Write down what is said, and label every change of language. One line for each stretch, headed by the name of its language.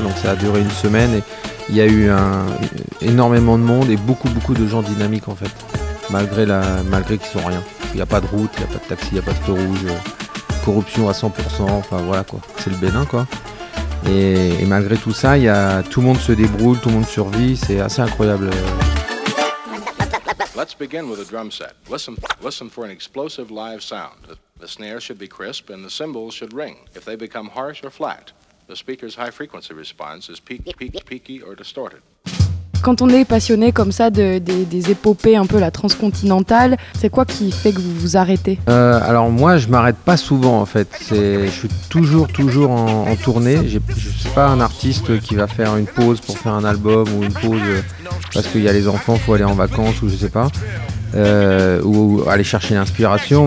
French: Donc ça a duré une semaine et il y a eu énormément de monde et beaucoup de gens dynamiques en fait. Malgré qu'ils sont rien. Il n'y a pas de route, il n'y a pas de taxi, il n'y a pas de feu rouge, corruption à 100%, enfin voilà quoi, c'est le Bénin quoi. Et malgré tout ça, tout le monde se débrouille, tout le monde survit, c'est assez incroyable.
English: Let's begin with a drum set. Listen for an explosive live sound. The snare should be crisp and the cymbals should ring. If they become harsh or flat, the speaker's high frequency response is peaky or distorted.
French: Quand on est passionné comme ça des épopées un peu la transcontinentale, c'est quoi qui fait que vous vous arrêtez ? Alors moi, je m'arrête pas souvent en fait. Je suis toujours en tournée. Je suis pas un artiste qui va faire une pause pour faire un album ou une pause parce qu'il y a les enfants, faut aller en vacances ou je sais pas, ou aller chercher l'inspiration.